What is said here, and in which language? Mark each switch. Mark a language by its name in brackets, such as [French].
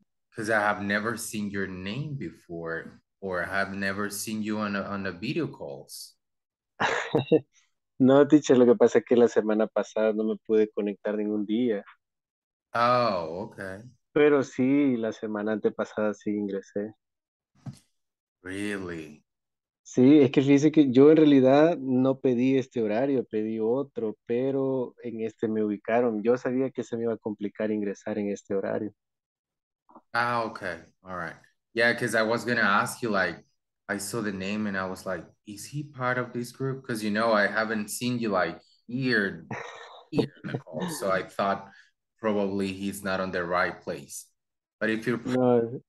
[English] Because I have never seen your name before. Or I have never seen you on the video calls. [Spanish] No, teacher, lo que pasa es que la semana pasada no me pude conectar ningún día. [English] Oh, okay. [Spanish] Pero sí, la semana antepasada sí ingresé. [English] Really? [Spanish] Sí, es que fíjese que yo en realidad no pedí este horario, pedí otro, pero en este me ubicaron. Yo sabía que se me iba a complicar ingresar en este horario. [English] Ah, okay. All right. Yeah, because I was going to ask you, like, I saw the name and I was like, is he part of this group? Because, you know, I haven't seen you, like, here in the call. So I thought probably he's not on the right place. But if you're no.